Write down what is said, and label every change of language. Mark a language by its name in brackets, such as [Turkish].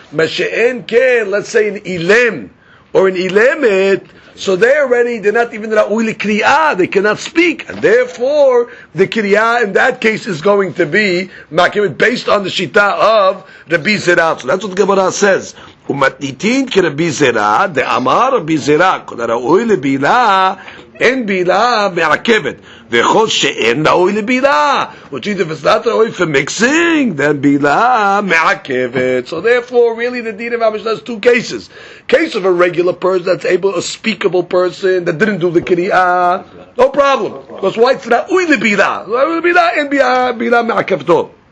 [English] M'she'en ken, let's say an ilem, or an ilemet, so they're already, they're not even ra'uli l'kiriyah, they cannot speak, and therefore the kiriyah in that case is going to be me'akevet based on the shita of Rabbi Zera. So that's what the Gemara says. [Hebrew] ומתניתין כרבי זירה, דאמר רבי זירה, כל הראוי לבילה, אין בילה מעכבת. וכל שאין ראוי לבילה, [English] which is if it's not [Hebrew] ראוי [English] for mixing, then [Hebrew] בילה מעכבת. [English] So therefore, really, the deed of Amishnah has two cases. Case of a regular person that's able, a speakable person that didn't do the kiriyah, no problem. Because why? [Hebrew] It's ראוי לבילה. ראוי לבילה, אין בילה מעכבת.